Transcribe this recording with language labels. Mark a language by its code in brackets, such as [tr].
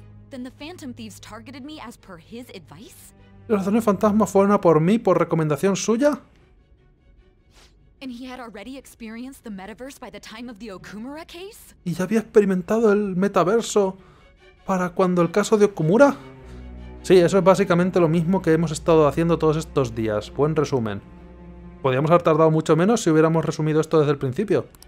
[en] Then the Phantom Thieves targeted me as per his advice? [es] ¿Los ladrones fantasmas fueron a por mí por recomendación suya? [en] And he had already experienced the metaverse by the time of the Okumura case? [es] ¿Y ya había experimentado el metaverso para cuando el caso de Okumura? Sí, eso es básicamente lo mismo que hemos estado haciendo todos estos días. Buen resumen. Podríamos haber tardado mucho menos si hubiéramos resumido esto desde el principio.